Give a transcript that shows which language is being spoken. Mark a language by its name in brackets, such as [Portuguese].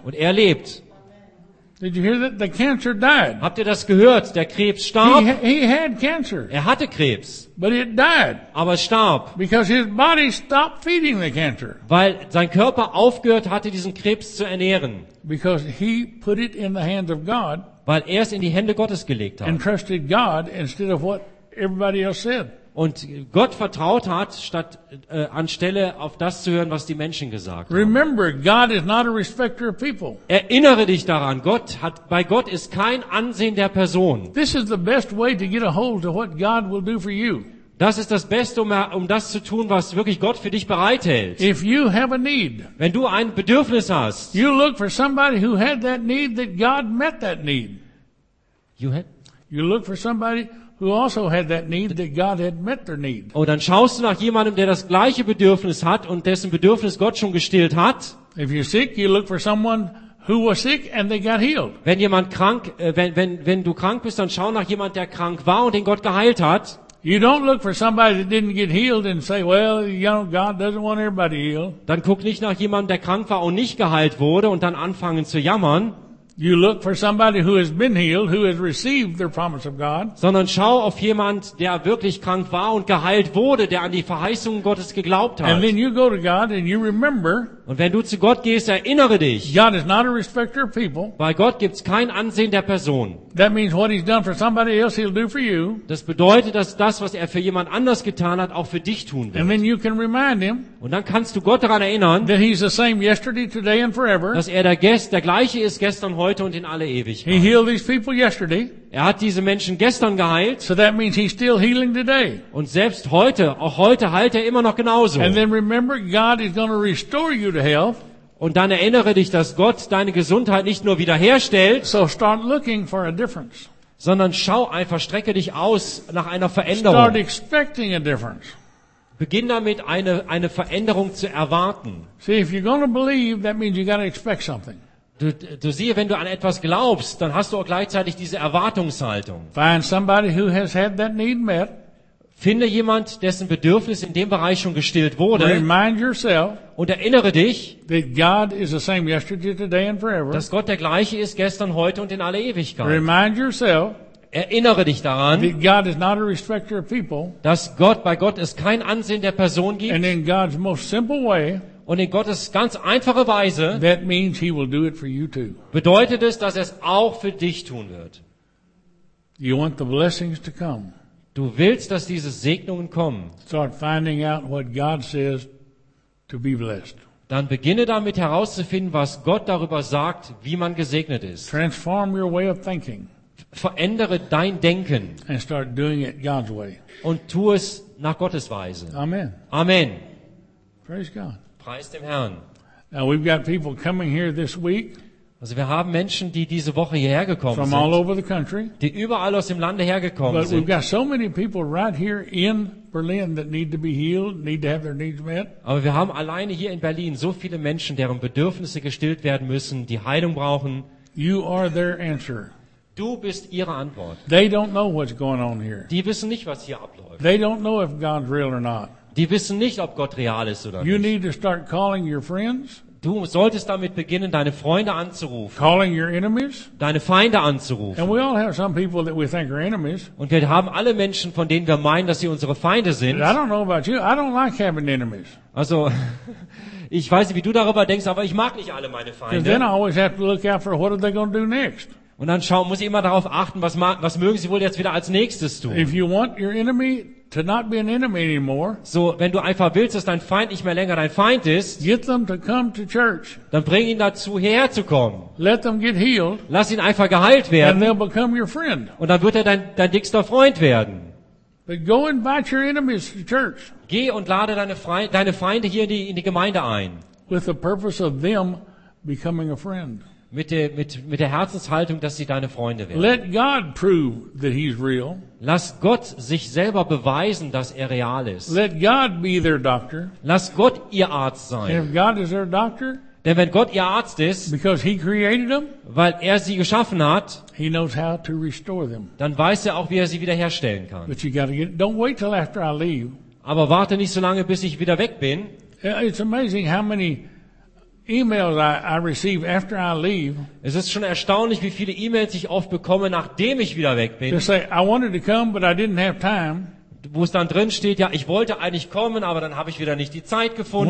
[German] Und er lebt. [English] Did you hear that? The cancer died. [German] Habt ihr das gehört? Der Krebs starb. [English] He had cancer. [German] Er hatte Krebs. [English] But it died. [German] Aber es starb. [English] Because his body stopped feeding the cancer. [German] Weil sein Körper aufgehört hatte, diesen Krebs zu ernähren. [English] Because he put it in the hands of God. [German] Weil er es in die Hände Gottes gelegt hat. [English] And trusted God instead of what everybody else said. [German] Und Gott vertraut hat, statt anstelle auf das zu hören, was die Menschen gesagt haben. [English] Remember, God is not a respecter of people. [German] Erinnere dich daran, Gott hat, bei Gott ist kein Ansehen der Person. [English] This is the best way to get a hold of what God will do for you. [German] Das ist das Beste, um das zu tun, was wirklich Gott für dich bereithält. [English] If you have a need, [German] wenn du ein Bedürfnis hast, [English] you look for somebody who had that need that God met that need. You look for somebody who also had that need that God had met their need. [German] Oh, dann schaust du nach jemandem, der das gleiche Bedürfnis hat und dessen Bedürfnis Gott schon gestillt hat. [English] If you're sick, you look for someone who was sick and they got healed. [German] Wenn jemand krank, wenn du krank bist, dann schau nach jemand, der krank war und den Gott geheilt hat. [English] You don't look for somebody that didn't get healed and say, well, you know, God doesn't want everybody healed. [German] Dann guck nicht nach jemandem, der krank war und nicht geheilt wurde und dann anfangen zu jammern. [English] You look for somebody who has been healed, who has received their promise of God. [German] Sondern schau auf jemand, der wirklich krank war und geheilt wurde, der an die Verheißungen Gottes geglaubt hat. [English] And then you go to God and you remember. [German] Und wenn du zu Gott gehst, erinnere dich. [English] God is not a respecter of people. [German] Bei Gott gibt's kein Ansehen der Person. [English] That means what he's done for somebody else, he'll do for you. [German] Das bedeutet, dass das, was er für jemand anders getan hat, auch für dich tun wird. [English] And then you can remind him. [German] Und dann kannst du Gott daran erinnern. [English] That he's the same yesterday, today and forever. [German] Dass er der gleiche ist gestern, heute und in alle Ewigkeit. [English] He healed these people yesterday. [German] Er hat diese Menschen gestern geheilt. [English] So that means he's still healing today. [German] Und selbst heute, auch heute heilt er immer noch genauso. [English] And then remember, God is going to restore you to health. [German] Und dann erinnere dich, dass Gott deine Gesundheit nicht nur wiederherstellt. [English] So start looking for a difference. [German] Sondern schau einfach, strecke dich aus nach einer Veränderung. [English] Start expecting a difference. [German] Beginn damit, eine Veränderung zu erwarten. [English] See, if you're going to believe, that means you got to expect something. [German] Du siehe, wenn du an etwas glaubst, dann hast du auch gleichzeitig diese Erwartungshaltung. [English] Find somebody who has had that need met. [German] Finde jemand, dessen Bedürfnis in dem Bereich schon gestillt wurde. [English] Remind yourself, [German] und erinnere dich, [English] that God is the same yesterday, today and forever. [German] Dass Gott der gleiche ist gestern, heute und in alle Ewigkeit. [English] Remind yourself, [German] erinnere dich daran, [English] that God is not a respecter of people. [German] Dass Gott, bei Gott es kein Ansehen der Person gibt. [English] And in God's most simple way, [German] und in Gottes ganz einfache Weise, [English] that means he will do it for you too. [German] Bedeutet es, dass er es auch für dich tun wird. [English] You want the blessings to come. [German] Du willst, dass diese Segnungen kommen. [English] Start finding out what God says to be blessed. [German] Dann beginne damit herauszufinden, was Gott darüber sagt, wie man gesegnet ist. [English] Transform your way of thinking. [German] Verändere dein Denken. [English] And start doing it God's way. [German] Und tu es nach Gottes Weise. [English] Amen. [German] Amen. [English] Praise God. [German] Preist dem Herrn. [English] Now we've got people coming here this week. [German] Also wir haben Menschen, die diese Woche hierher gekommen [English] from [German] sind. [English] All over the country. [German] Die überall aus dem Lande hergekommen [English] but [German] sind. [English] But we've got so many people right here in Berlin that need to be healed, need to have their needs met. [German] Aber wir haben alleine hier in Berlin so viele Menschen, deren Bedürfnisse gestillt werden müssen, die Heilung brauchen. [English] You are their answer. [German] Du bist ihre Antwort. [English] They don't know what's going on here. [German] Die wissen nicht, was hier abläuft. [English] They don't know if God's real or not. [German] Die wissen nicht, ob Gott real ist oder [English] you [German] nicht. [English] Need to start calling your friends. [German] Du solltest damit beginnen, deine Freunde anzurufen. [English] Calling your enemies. [German] Deine Feinde anzurufen. [English] And we all have some people that we think are enemies. [German] Und wir haben alle Menschen, von denen wir meinen, dass sie unsere Feinde sind. [English] I don't know about you. I don't like having enemies. [German] Also, ich weiß nicht, wie du darüber denkst, aber ich mag nicht alle meine Feinde. [English] Then I always have to look out for what are they going to do next. [German] Und dann muss ich immer darauf achten, was mögen sie wohl jetzt wieder als nächstes tun. [English] If you want your enemy to not be an enemy anymore. [German] So, wenn du einfach willst, dass dein Feind nicht mehr länger dein Feind ist, [English] get them to come to church. [German] Dann bring ihn dazu, herzukommen. [English] Let them get healed. [German] Lass ihn einfach geheilt werden. [English] And they'll become your friend. [German] Und dann wird er dein dickster Freund werden. [English] But go invite your enemies to church. [German] Geh und lade deine Feinde hier in die Gemeinde ein. [English] With the purpose of them becoming a friend. [German] Mit der Herzenshaltung, dass sie deine Freunde werden. [English] Let God prove that he's real. [German] Lass Gott sich selber beweisen, dass er real ist. [English] Let God be their doctor. [German] Lass Gott ihr Arzt sein. [English] If God is their doctor, [German] denn wenn Gott ihr Arzt ist, [English] because he created them, [German] weil er sie geschaffen hat, [English] he knows how to restore them. [German] Dann weiß er auch, wie er sie wiederherstellen kann. [English] But you gotta get, don't wait till after I leave. [German] Aber warte nicht so lange, bis ich wieder weg bin. [English] It's amazing how many emails I receive after I leave. [German] Es ist schon erstaunlich, wie viele E-Mails ich oft bekomme, nachdem ich wieder weg bin. [English] They say, I wanted to come, but I didn't have time. [German] Wo es dann drin steht, ja, ich wollte eigentlich kommen, aber dann habe ich wieder nicht die Zeit gefunden.